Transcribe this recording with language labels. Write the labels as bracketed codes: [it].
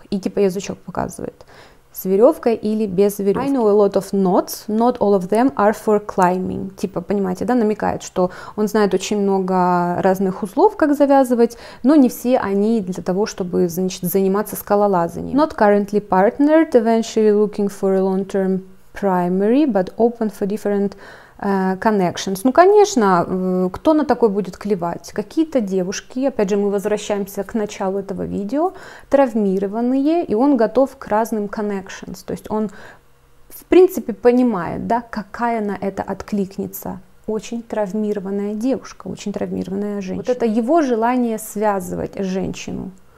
[ru] И типа язычок показывает. С веревкой или без веревки. [en] I know a lot of knots, not all of them are for climbing. [ru] Типа, понимаете, да, намекает, что он знает очень много разных узлов, как завязывать, но не все они для того, чтобы, значит, заниматься скалолазанием. [en] Not currently partnered, eventually looking for a long-term primary, but open for different connections. [ru] Ну, конечно, кто на такой будет клевать? Какие-то девушки, опять же, мы возвращаемся к началу этого видео, травмированные, и он готов к разным connections. То есть он, в принципе, понимает, да, какая на это откликнется. Очень травмированная девушка, очень травмированная женщина. Вот это его желание связывать женщину.